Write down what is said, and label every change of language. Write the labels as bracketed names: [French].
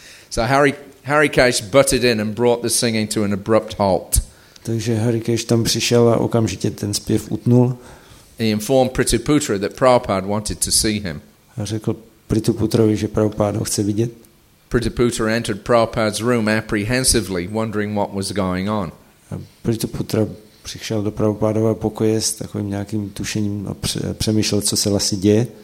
[English] So Harikesh butted in and brought the singing to an abrupt halt. [Czech] Takže Harikesh tam přišel a okamžitě ten zpěv utnul. [English] He informed Prituputra that Prabhupada wanted to see him. [Czech] A řekl Prituputrovi, že Prabhupada ho chce vidět. [English] Prituputra entered Prabhupada's room apprehensively, wondering what was going on. [Czech] Prituputra přišel do Prabhupádova pokoje s takovým nějakým tušením a přemýšlel, co se vlastně děje.